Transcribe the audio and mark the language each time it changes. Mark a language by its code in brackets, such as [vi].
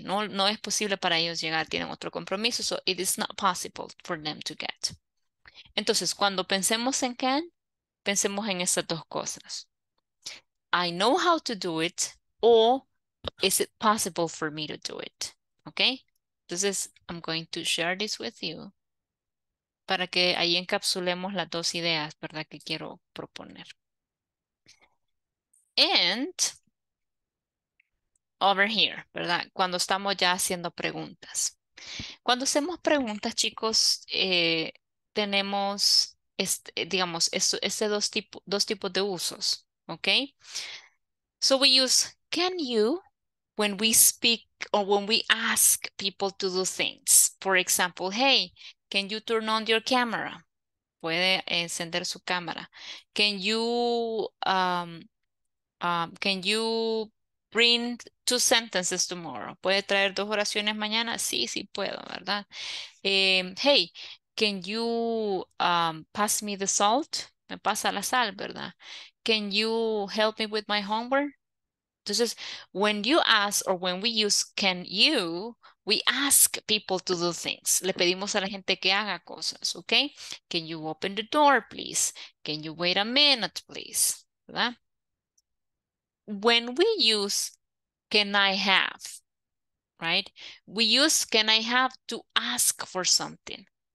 [es] No, no es posible para ellos llegar, tienen otro compromiso. [en] So it is not possible for them to get. [es] Entonces, cuando pensemos en can, pensemos en esas dos cosas. [en] I know how to do it, or is it possible for me to do it? [es] Okay? Entonces, [en] I'm going to share this with you [es] para que ahí encapsulemos las dos ideas, ¿verdad?, que quiero proponer. [en] And over here, [es] ¿verdad?, cuando estamos ya haciendo preguntas. Cuando hacemos preguntas, chicos, tenemos, digamos, dos tipos de usos, ¿ok? [en] So we use can you when we speak or when we ask people to do things. For example, hey, can you turn on your camera? [es] Puede encender su cámara. [en] Can you bring two sentences tomorrow? [es] ¿Puede traer dos oraciones mañana? Sí, sí puedo, ¿verdad? [en] Hey, can you pass me the salt? [es] Me pasa la sal, ¿verdad? [en] Can you help me with my homework? Entonces, when you ask or when we use can you, we ask people to do things. [es] Le pedimos a la gente que haga cosas, ¿ok? [en] Can you open the door, please? Can you wait a minute, please? ¿Verdad? When we use can I have, right? We use can I have to ask for something.